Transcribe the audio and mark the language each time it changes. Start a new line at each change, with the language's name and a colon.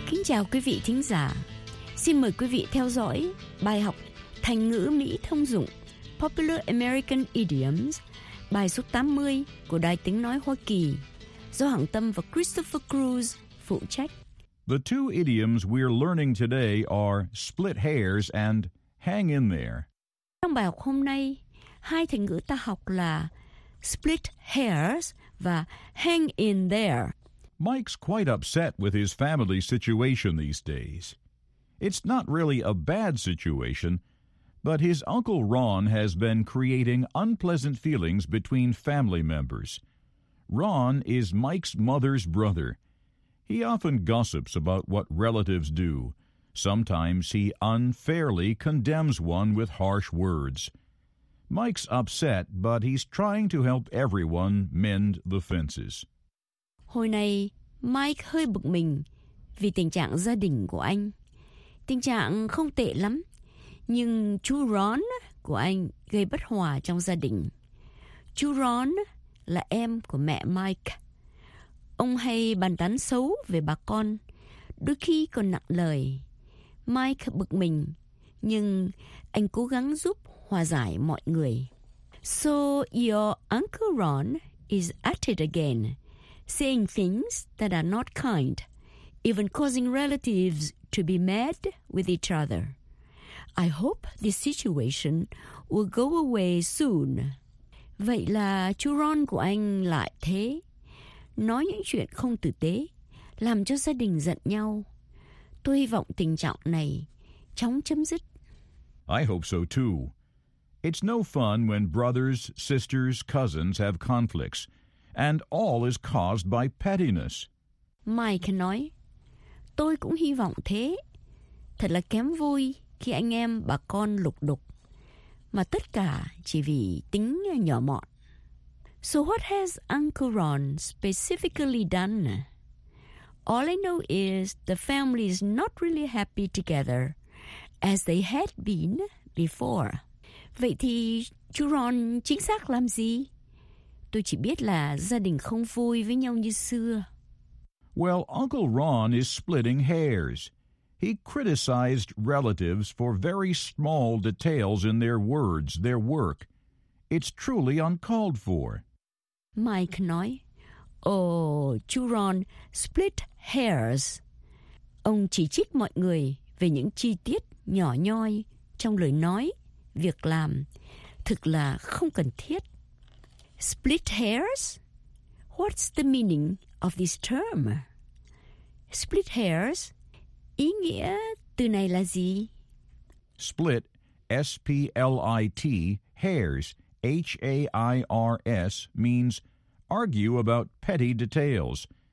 Vietnamese: Chào quý vị thính giả. Xin mời quý vị theo dõi bài học Thành ngữ Mỹ thông dụng
English: Popular American Idioms,
Vietnamese: bài số 80 của Đài Tiếng Nói Hoa Kỳ, do Hằng Tâm và Christopher Cruz phụ trách.
English: The two idioms we're learning today are split hairs and hang in there.
Vietnamese: Trong bài học hôm nay, hai thành ngữ ta học là split hairs và hang in there.
English: Mike's quite upset with his family situation these days. It's not really a bad situation, but his Uncle Ron has been creating unpleasant feelings between family members. Ron is Mike's mother's brother. He often gossips about what relatives do. Sometimes he unfairly condemns one with harsh words. Mike's upset, but he's trying to help everyone mend the fences.
Vietnamese: Hồi này, Mike hơi bực mình vì tình trạng gia đình của anh. Tình trạng không tệ lắm, nhưng chú Ron của anh gây bất hòa trong gia đình. Chú Ron là em của mẹ Mike. Ông hay bàn tán xấu về bà con, đôi khi còn nặng lời. Mike bực mình, nhưng anh cố gắng giúp hòa giải mọi người.
English: So your Uncle Ron is at it again, saying things that are not kind, even causing relatives to be mad with each other. I hope this situation will go away soon.
Vietnamese: Vậy là chú Ron của anh lại thế. Nói những chuyện không tử tế, làm cho gia đình giận nhau. Tôi hy vọng tình trạng này chóng chấm dứt.
English: I hope so too. It's no fun when brothers, sisters, cousins have conflicts, and all is caused by pettiness.
Vietnamese: Mike nói, tôi cũng hy vọng thế. Thật là kém vui khi anh em bà con lục đục, mà tất cả chỉ vì tính nhỏ mọn.
English: So what has Uncle Ron specifically done? All I know is the family is not really happy together as they had been before.
Vietnamese: Vậy thì chú Ron chính xác làm gì? Tôi chỉ biết là gia đình không vui với nhau như xưa.
English: Well, Uncle Ron is splitting hairs. He criticized relatives for very small details in their words, their work. It's truly uncalled for.
Vietnamese: Mike nói, oh, chú Ron split hairs. Ông chỉ trích mọi người về những chi tiết nhỏ nhoi trong lời nói, việc làm. Thực là không cần thiết. Split hairs?
English: What's the meaning of this term?
Vietnamese: Split hairs? Ý nghĩa từ này là gì?
English: Split, S-P-L-I-T, hairs, H-A-I-R-S, means argue about petty details.